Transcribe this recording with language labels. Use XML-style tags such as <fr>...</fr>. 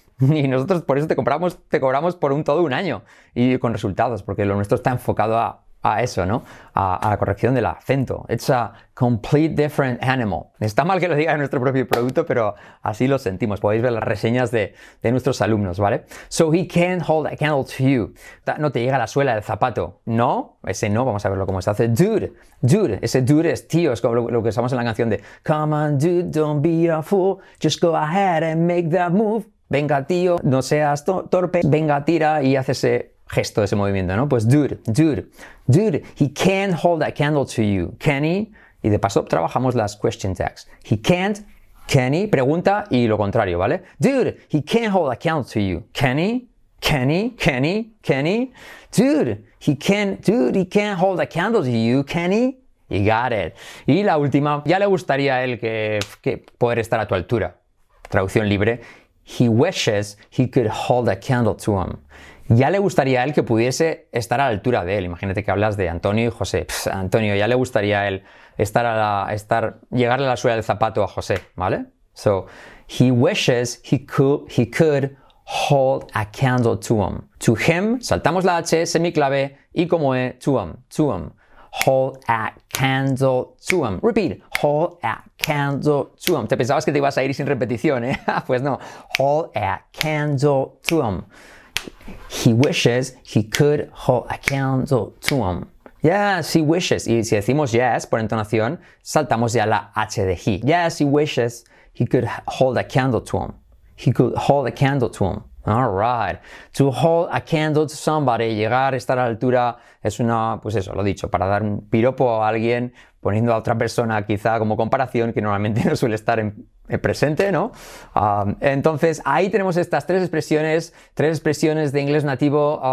<es>Y nosotros por eso te cobramos por todo un año y con resultados, porque lo nuestro está enfocado a eso, ¿no? A la corrección del acento.</es> <en>It's a complete different animal.</en> <es>Está mal que lo diga en nuestro propio producto, pero así lo sentimos. Podéis ver las reseñas de nuestros alumnos, ¿vale?</es> <en>So he can't hold a candle to you.</en> <es>No te llega la suela del zapato. No, ese no, vamos a verlo cómo se hace. Dude, ese dude es tío, es como lo que usamos en la canción de</es> <en>Come on, dude, don't be a fool, just go ahead and make that move.</en> <es>Venga, tío, no seas torpe, venga, tira y haz ese gesto, ese movimiento, ¿no? Pues</es> <en>dude, he can't hold a candle to you, can he?</en> <es>Y de paso trabajamos las question tags.</es> <en>He can't, can he,</en> <es>pregunta y lo contrario, ¿vale?</es> <en>Dude, he can't hold a candle to you, can he? Can he? Dude, he can't hold a candle to you, can he? You got it.</en> <es>Y la última, ya le gustaría a él que poder estar a tu altura. Traducción libre.</es> <en>He wishes he could hold a candle to him.</en> <es>Ya le gustaría a él que pudiese estar a la altura de él. Imagínate que hablas de Antonio y José. Pff, Antonio, ya le gustaría a él llegarle a la suela del zapato a José, ¿vale?</es> <en>So, he wishes he could hold a candle to him. To him,</en> <es>saltamos la H, semiclave, y como E,</es> <en>to him. Hold a candle to him. Repeat. Hold a candle to him.</en> <es>Te pensabas que te ibas a ir sin repetición, ¿eh? Pues no.</es> <en>Hold a candle to him. He wishes he could hold a candle to him. Yes, he wishes.</en> <es>Y si decimos yes por entonación, saltamos ya la H de he.</es> <en>Yes, he wishes he could hold a candle to him. He could hold a candle to him. All right.</en> <es>To hold a candle to somebody, llegar a estar a la altura, es una, pues eso, lo dicho, para dar un piropo a alguien, poniendo a otra persona quizá como comparación, que normalmente no suele estar en presente, ¿no? Entonces, ahí tenemos estas tres expresiones de inglés nativo.</es>